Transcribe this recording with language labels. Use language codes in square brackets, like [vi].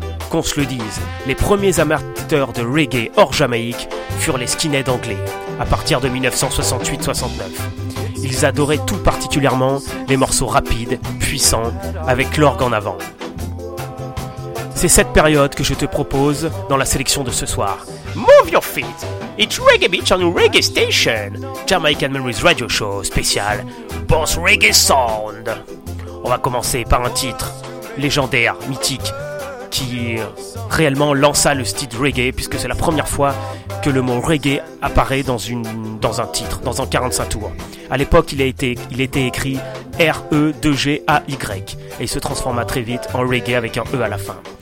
[fr] Qu'on se le dise, les premiers amateurs de reggae hors Jamaïque furent les skinheads anglais à partir de 1968-69. Ils adoraient tout particulièrement les morceaux rapides, puissants, avec l'orgue en avant. C'est cette période que je te propose dans la sélection de ce soir. [en] Move your feet! It's Reggae Beach on Reggae Station! Jamaican Memories Radio Show spécial Boss Reggae Sound! [fr] On va commencer par un titre légendaire, mythique, qui réellement lança le style reggae, puisque c'est la première fois que le mot reggae apparaît dans un titre, dans un 45 tours. À l'époque, il était écrit R-E-2-G-A-Y et il se transforma très vite en reggae avec un E à la fin.